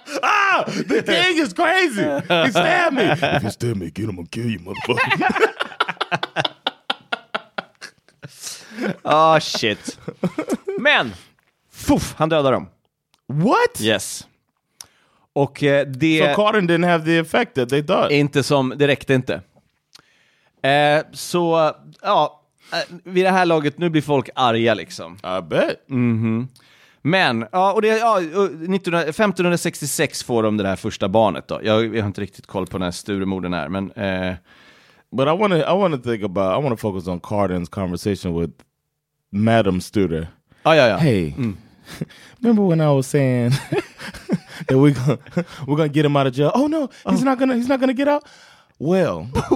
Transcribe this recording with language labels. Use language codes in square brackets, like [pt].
[en] Ah, the thing is crazy. He stabbed me. If you stab me again, I'm gonna kill you, motherfucker. Oh shit. [sv] Men, poof, han dödar dem. [en] What? Yes. Och det... Så so Karin didn't have the effect that they thought. [sv] Inte som, det räckte inte. Så, ja, vid det här laget, nu blir folk arga liksom. [en] I bet. Mm-hmm. [sv] Men, ja, och det, ja, 1566 får de det här första barnet då. Jag har inte riktigt koll på när Sturemorden är, men... [en] But I want to focus on Cardin's conversation with Madame Sture. [sv] Ah, ja. [en] Hey, remember when I was saying that we're gonna get him out of jail? Oh no, he's not gonna get out. Well,